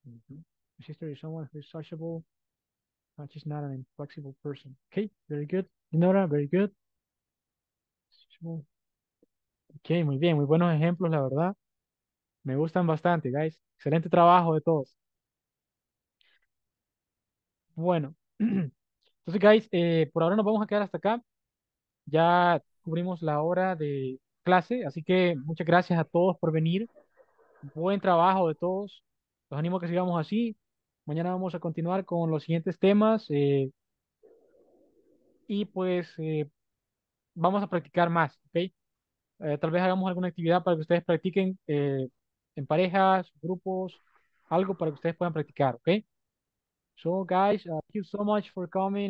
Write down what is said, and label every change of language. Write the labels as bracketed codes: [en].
[en] My sister is someone who is sociable, but she's not an inflexible person. Okay, very good. Nora, very good. Sociable. [es] Okay, muy bien, muy buenos ejemplos, la verdad. Me gustan bastante, guys. Excelente trabajo de todos. Bueno. Entonces, guys, por ahora nos vamos a quedar hasta acá. Ya cubrimos la hora de clase, así que muchas gracias a todos por venir. Buen trabajo de todos. Los animo a que sigamos así. Mañana vamos a continuar con los siguientes temas. y pues vamos a practicar más, ¿ok? Tal vez hagamos alguna actividad para que ustedes practiquen en parejas, grupos, algo para que ustedes puedan practicar, ¿ok? [en] So, guys, thank you so much for coming.